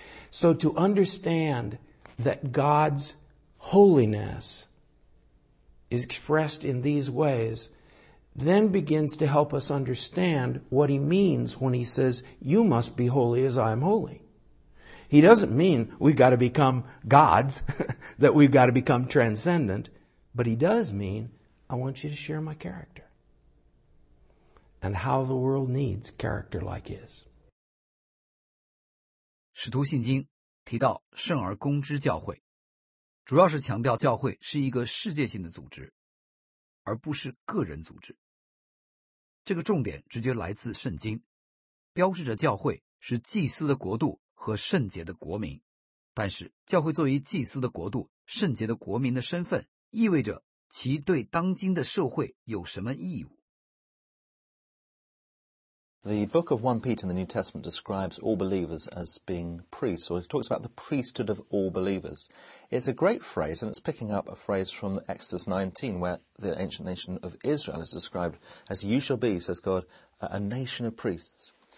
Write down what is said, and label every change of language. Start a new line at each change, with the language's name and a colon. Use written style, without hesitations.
English: So to understand that God's holiness is expressed in these ways then begins to help us understand what he means when he says, you must be holy as I am holy. He doesn't mean we've got to become gods, that we've got to become transcendent, but he does mean, I want you to share my character and how the world needs character like his.
Chinese: 使徒信经提到圣而公之教会，主要是强调教会是一个世界性的组织，而不是个人组织。这个重点直接来自圣经，标志着教会是祭司的国度和圣洁的国民。但是教会作为祭司的国度、圣洁的国民的身份，意味着其对当今的社会有什么义务。
English: The book of 1 Peter in the New Testament describes all believers as being priests, or it talks about the priesthood of all believers. It's a great phrase, and it's picking up a phrase from Exodus 19, where the ancient nation of Israel is described as, you shall be, says God, a nation of priests.